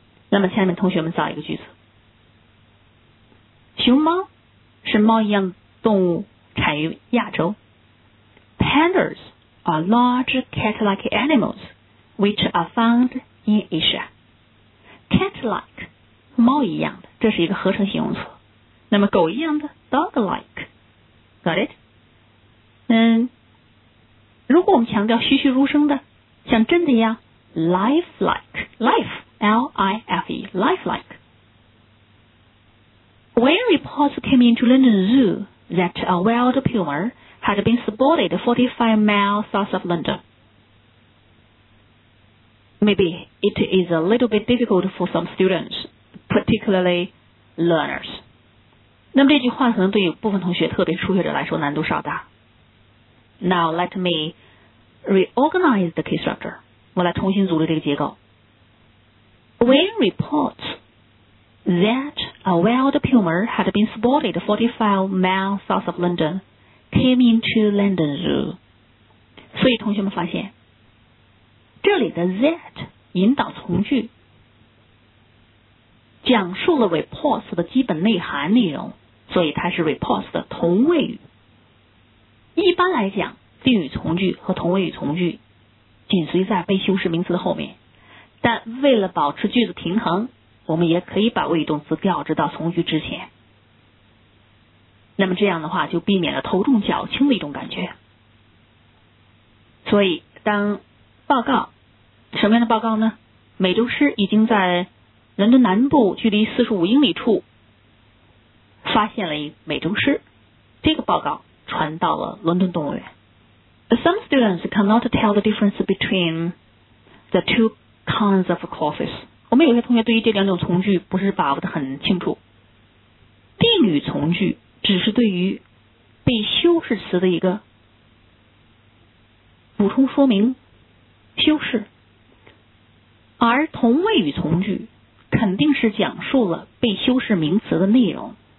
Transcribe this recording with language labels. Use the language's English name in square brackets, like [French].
[Chinese] 那么下面同学们造一个句子。熊猫是猫一样动物，产于亚洲。 [English] Pandas are large cat-like animals which are found in Asia. [Chinese] Cat-like, 猫一样的，这是一个合成形容词。那么狗一样的 dog-like, [English] got it? [Chinese] 如果我们强调栩栩如生的，像真的一样 life-like, life, L-I-F-E, life-like. [English] When reports came into London Zoo that a wild puma had been spotted 45 miles south of London. Maybe it is a little bit difficult for some students, particularly learners. [Chinese] 那么这句话可能对于部分同学，特别初学者来说难度稍大。 [English] Now let me reorganize the key structure. [Chinese] 我来重新组织这个结构。 [English] When reports that a wild puma had been spotted 45 miles south of London came into London Zoo. [Chinese] 所以同学们发现这里的 that 引导从句讲述了 reports 的基本内涵内容，所以它是 reports 的同位语。一般来讲，定语从句和同位语从句紧随在被修饰名词的后面，但为了保持句子平衡，我们也可以把谓语动词调至到从句之前。那么这样的话就避免了头重脚轻的一种感觉。所以当报告，什么样的报告呢？美洲狮已经在伦敦南部距离45英里处发现了一美洲狮，这个报告传到了伦敦动物园。 [English] Some students cannot tell the difference between the two kinds of corpus. [Chinese] 我们有些同学对于这两种从句不是把握得很清楚。定语从句只是对于被修饰词的一个补充说明修饰，而同位语从句肯定是讲述了被修饰名词的内容。